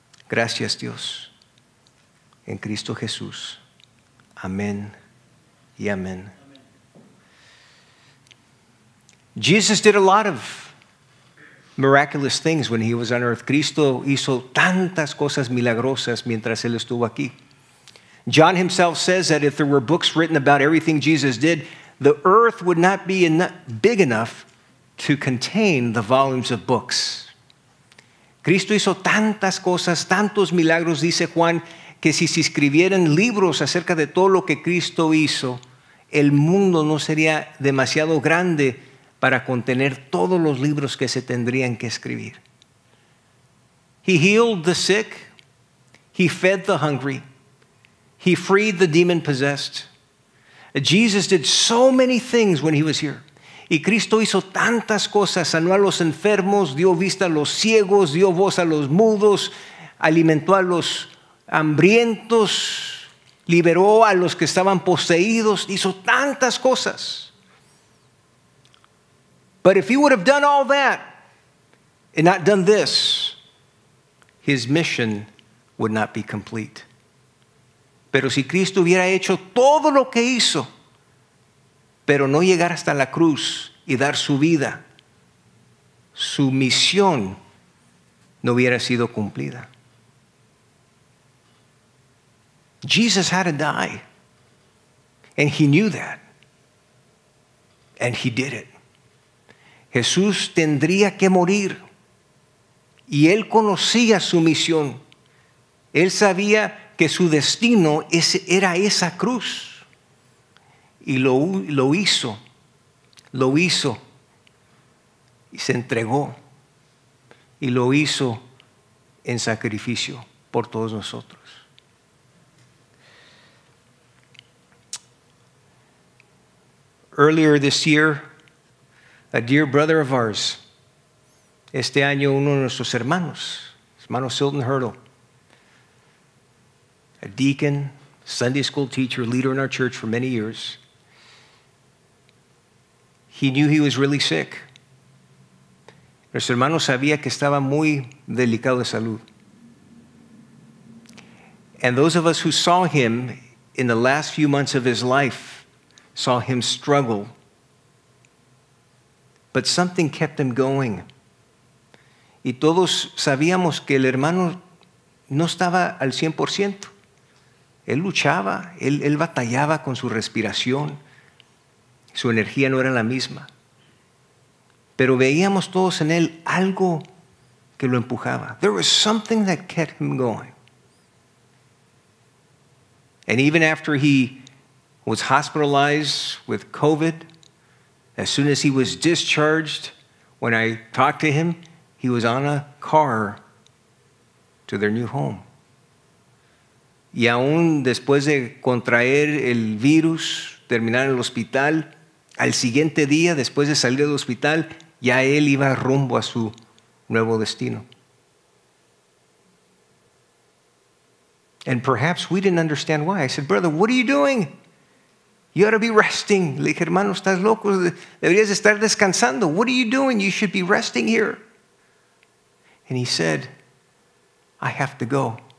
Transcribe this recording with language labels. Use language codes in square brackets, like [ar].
[es] Gracias, Dios, en Cristo Jesús. Amén y amén. [en] Jesus did a lot of miraculous things when he was on earth. [es] Cristo hizo tantas cosas milagrosas mientras él estuvo aquí. [en] John himself says that if there were books written about everything Jesus did, the earth would not be big enough to contain the volumes of books. [es] Cristo hizo tantas cosas, tantos milagros, dice Juan, que si se escribieran libros acerca de todo lo que Cristo hizo, el mundo no sería demasiado grande para contener todos los libros que se tendrían que escribir. [en] He healed the sick. He fed the hungry. He freed the demon-possessed. Jesus did so many things when he was here. [es] Y Cristo hizo tantas cosas. Sanó a los enfermos, dio vista a los ciegos, dio voz a los mudos, alimentó a los hambrientos, liberó a los que estaban poseídos. Hizo tantas cosas. [en] But if he would have done all that and not done this, his mission would not be complete. [es] Pero si Cristo hubiera hecho todo lo que hizo, pero no llegar hasta la cruz y dar su vida, su misión no hubiera sido cumplida. [en] Jesus had to die, and he knew that, and he did it. [es] Jesús tendría que morir, y él conocía su misión. Él sabía que su destino era esa cruz. Y lo hizo, y se entregó, y lo hizo en sacrificio por todos nosotros. [en] Earlier this year, a dear brother of ours, [es] este año uno de nuestros hermanos, [en] hermano Silton Hurdle, a deacon, Sunday school teacher, leader in our church for many years, he knew he was really sick. [es] Nuestro hermano sabía que estaba muy delicado de salud. [en] And those of us who saw him in the last few months of his life saw him struggle. But something kept him going. [es] Y todos sabíamos que el hermano no estaba al 100%. Él luchaba, él batallaba con su respiración. Su energía no era la misma. Pero veíamos todos en él algo que lo empujaba. [en] There was something that kept him going. And even after he was hospitalized with COVID, as soon as he was discharged, when I talked to him, he was on a car to their new home. [es] Y aún después de contraer el virus, terminar en el hospital, al siguiente día, después de salir del hospital, ya él iba rumbo a su nuevo destino. [en] And perhaps we didn't understand why. I said, brother, what are you doing? You ought to be resting. [es] Le dije, hermano, estás loco. Deberías estar descansando. [en] What are you doing? You should be resting here. And he said, I have to go.